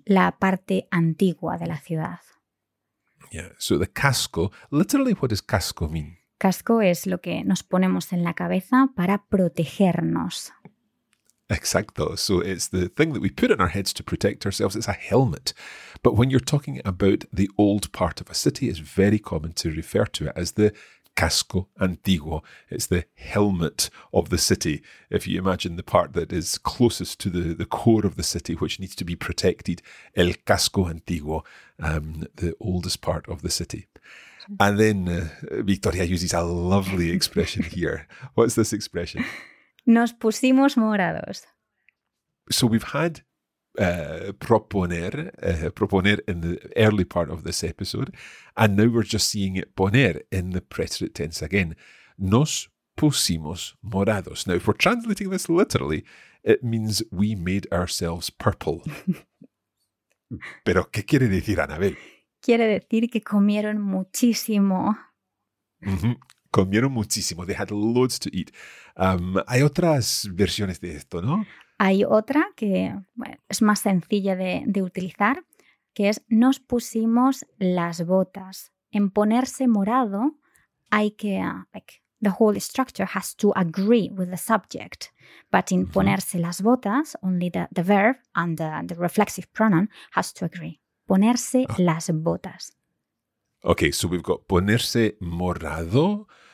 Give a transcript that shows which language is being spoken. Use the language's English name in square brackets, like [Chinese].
[Spanish] La parte antigua de la ciudad. [English] Yeah, so the casco, literally what does casco mean? [Spanish] Casco es lo que nos ponemos en la cabeza para protegernos. Exacto, [English] so it's the thing that we put on our heads to protect ourselves, it's a helmet. But when you're talking about the old part of a city, it's very common to refer to it as the [Spanish] casco antiguo. [English] It's the helmet of the city. If you imagine the part that is closest to the core of the city, which needs to be protected, [Spanish] el casco antiguo, [English] the oldest part of the city. And then Victoria uses a lovely expression here. What's this expression? [Spanish] Nos pusimos morados. [English] So we've had proponer in the early part of this episode, and now we're just seeing it poner in the preterite tense again. [Spanish] Nos pusimos morados. [English] Now, if we're translating this literally, it means we made ourselves purple. [Spanish] ¿Pero qué quiere decir, Anabel? Quiere decir que comieron muchísimo. [English] Mm-hmm. [Spanish] Comieron muchísimo. [English] They had loads to eat. [Spanish] Hay otras versiones de esto, ¿no? Hay otra que, bueno, es más sencilla de utilizar, que es nos pusimos las botas. En ponerse morado hay que... [English] the whole structure has to agree with the subject. But in [Spanish] ponerse las botas, [English] only the verb and the reflexive pronoun has to agree. [Spanish] Ponerse las botas. [English] Okay, so we've got [Spanish] ponerse morado.